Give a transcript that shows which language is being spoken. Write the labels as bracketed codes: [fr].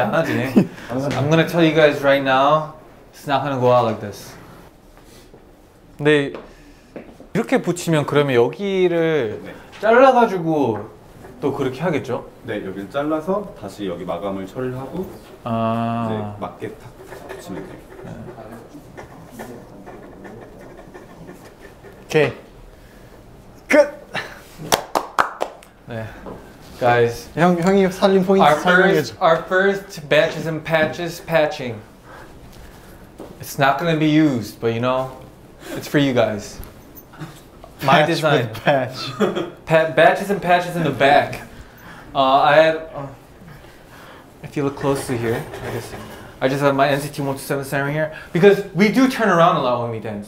[en] I'm gonna tell you guys right now, it's not gonna go out like this. [ko] 근데 이렇게 붙이면 그러면 여기를 잘라가지고 또 그렇게 하겠죠? 네, 여기를 잘라서 다시 여기 마감을 처리하고 아... 이제 맞게 탁 붙이면 돼요. 오케이 끝. 네, guys. 형이 살린 포인트 설명해줘. [en] Our first batches and patches patching. It's not gonna be used, but you know, it's for you guys. My patch design. With patch. Batches and patches in the back. I have. If you look closely here, I just have my NCT 127 standing here because we do turn around a lot when we dance.